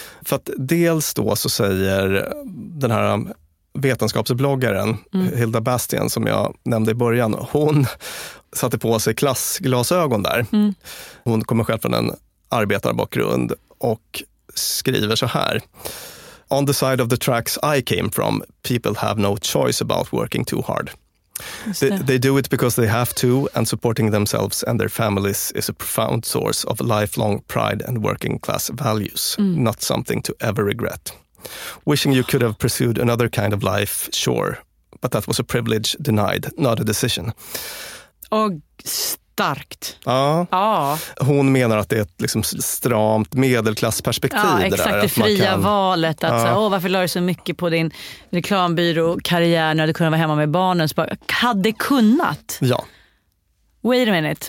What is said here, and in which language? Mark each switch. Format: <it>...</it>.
<sv>För att dels då så säger den här vetenskapsbloggaren Hilda Bastian, som jag nämnde i början, hon satte på sig klassglasögon där. Mm. Hon kommer själv från en arbetarbakgrund och skriver så här:</sv> <en>"On the side of the tracks I came from, people have no choice about working too hard. They do it because they have to, and supporting themselves and their families is a profound source of lifelong pride and working class values, not something to ever regret. Wishing you could have pursued another kind of life, sure, but that was a privilege denied, not a decision."</en> <sv>Och starkt. Ja. Ja. Hon menar att det är ett liksom stramt medelklassperspektiv. Ja, exakt. Det, där, det fria att man kan, valet. Att ja. Så, varför lade du så mycket på din reklambyrå karriär när du kunde vara hemma med barnen? Så bara, hade kunnat? Ja.</sv> <en>Wait a minute.</en>